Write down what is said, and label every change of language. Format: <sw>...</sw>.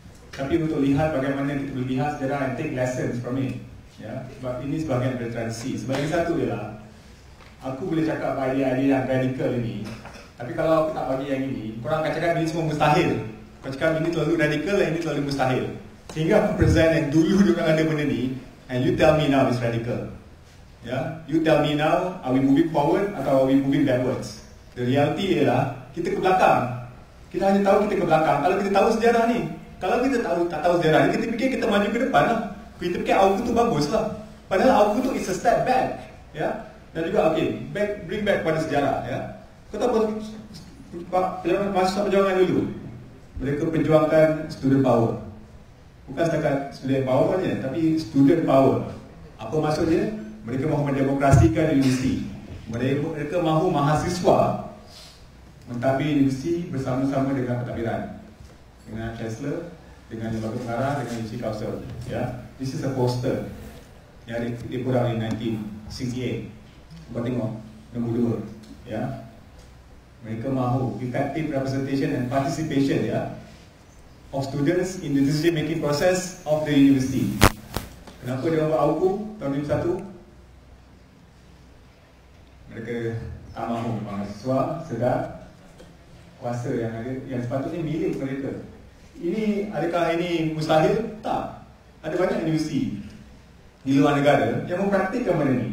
<ms>Tapi untuk lihat bagaimana kita boleh lihat sejarah</ms> <en>and take lessons from it,</en> <ms>ya. Sebab ini sebahagian dari transisi. Sebagai satu ialah, aku boleh cakap bagi idea yang radical ini, tapi kalau aku tak bagi yang ini, korang akan cakap ini semua mustahil. Kau cakap ini terlalu radical dan ini terlalu mustahil. Sehingga aku present yang dulu dengan ada benda ni,</ms> <en>and you tell me now it's radical. Yeah, you tell me now, are we moving forward atau are we moving backwards? The reality</en> <ms>ialah, kita ke belakang. Kita hanya tahu kita ke belakang kalau kita tahu sejarah ni. Kalau kita tahu tak tahu sejarah ni, kita fikir kita maju ke depan lah. Kita fikir aku tu bagus lah. Padahal aku tu</ms> <en>is a step back. Yeah?</en> <ms>Dan juga,</ms> <en>okay, back, bring back</en> <ms>pada sejarah.</ms> <en>Yeah?</en> <ms>Kau tahu perjuangan mahasiswa perjuangan dulu? Mereka perjuangkan student power. Bukan setakat student power saja, tapi student power. Apa maksudnya? Mereka mahu mendemokrasikan universiti. Mereka mahu mahasiswa mentadbir universiti bersama-sama dengan pentadbiran. Dengan chancellor, dengan lembaga pengarah, dengan universiti kaunsel. Yeah.</ms> <en>This is a poster</en> <ms>yang dipurang di</ms> <en>1968.</en> <ms>Kau tengok, nombor 2. Yeah. Mereka mahu</ms> <en>effective representation and participation, yeah, of students in the decision making process of the university.</en> <ms>Kenapa dia buat AUKU tahun 2001? Mereka tak mahu mahasiswa sedar kuasa yang ada, yang sepatutnya milik mereka. Ini, adakah ini mustahil? Tak. Ada banyak universiti di luar negara yang mempraktikkan benda ini.</ms>